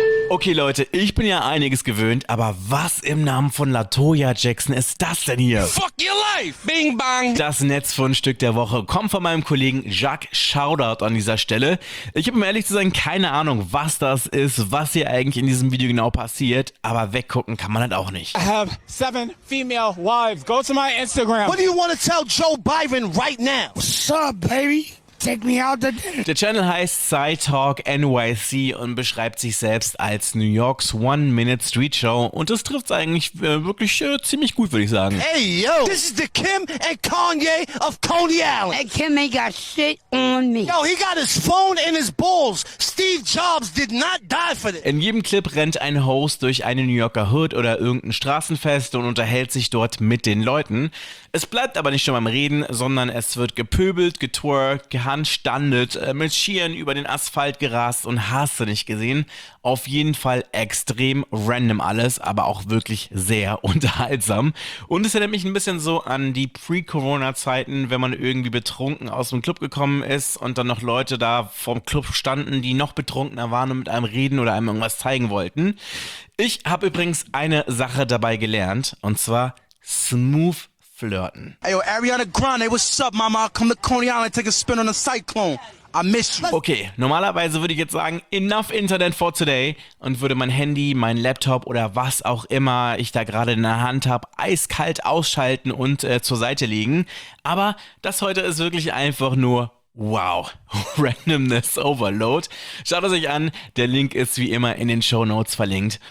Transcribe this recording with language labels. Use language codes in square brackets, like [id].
[de] Okay, Leute, ich bin ja einiges gewöhnt, aber was im Namen von LaToya Jackson ist das denn hier? [en] Fuck your life! Bing bang! [de] Das Netzfundstück der Woche kommt von meinem Kollegen Jacques Shoutout an dieser Stelle. Ich habe, um ehrlich zu sein, keine Ahnung, was das ist, was hier eigentlich in diesem Video genau passiert, aber weggucken kann man halt auch nicht. [en] I have 7 female wives. Go to my Instagram. What do you want to tell Joe Biden right now? What's up, baby? Take me out the... [de] Der Channel heißt Psytalk NYC und beschreibt sich selbst als New Yorks One-Minute-Street-Show. Und das trifft es eigentlich wirklich ziemlich gut, würde ich sagen. [en] Hey, yo! This is the Kim and Kanye of Coney Island. And Kim ain't got shit on me. Yo, he got his phone in his balls. Steve Jobs did not die for this. [de] In jedem Clip rennt ein Host durch eine New Yorker Hood oder irgendein Straßenfest und unterhält sich dort mit den Leuten. Es bleibt aber nicht nur beim Reden, sondern es wird gepöbelt, getwerkt, gehandstandet, mit Skiern über den Asphalt gerast und hast du nicht gesehen. Auf jeden Fall extrem random alles, aber auch wirklich sehr unterhaltsam. Und es erinnert mich ein bisschen so an die Pre-Corona-Zeiten, wenn man irgendwie betrunken aus dem Club gekommen ist und dann noch Leute da vorm Club standen, die noch betrunkener waren und mit einem reden oder einem irgendwas zeigen wollten. Ich habe übrigens eine Sache dabei gelernt, und zwar smooth flirten. Hey, yo, Ariana Grande, what's up, mama? I'll come to Coney Island, take a spin on a cyclone. I miss you. Okay, normalerweise würde ich jetzt sagen, [en] enough Internet for today [de] und würde mein Handy, mein Laptop oder was auch immer ich da gerade in der Hand habe, eiskalt ausschalten und zur Seite legen. Aber das heute ist wirklich einfach nur wow. [en] Randomness Overload. [de] Schaut es euch an, der Link ist wie immer in den Shownotes verlinkt.